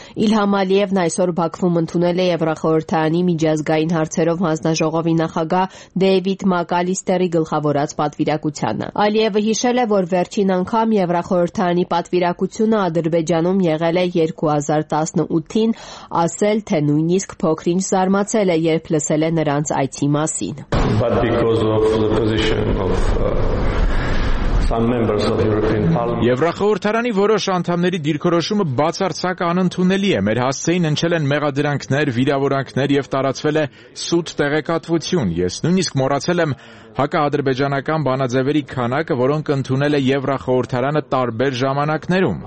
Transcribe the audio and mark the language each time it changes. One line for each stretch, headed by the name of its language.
Armenian: Իլհամ Ալիևն այսօր Բաքվում ընդունել է Եվրախորհրդանի միջազգային հարցերով հանձնաժողովի նախագահ Դեյվիդ Մակալիստերի գլխավորած պատվիրակությանը։ Ալիևը հիշել է, որ վերջին անգամ Եվրախորհրդանի պատվիրակությունը Ադրբեջանում եղել է 2018-ին, ասել, թե նույնիսկ փոքրինչ զարմացել է, երբ լսել է նրանց այդ մասին.
English: But because of the position of some members of European Parliament.
Armenian: Եվրախորհրդարանի որոշ անդամների դիրքորոշումը բացարձակ անընդունելի է։ Մեր հասցեին ընչել են մեղադրանքներ, վիրավորանքներ եւ տարածվել է սուտ տեղեկատվություն։ Ես նույնիսկ մոռացել եմ հակա-ադրբեջանական բանաձևերի քանակը, որոնք ընդունել է Եվրախորհրդարանը տարբեր ժամանակներում։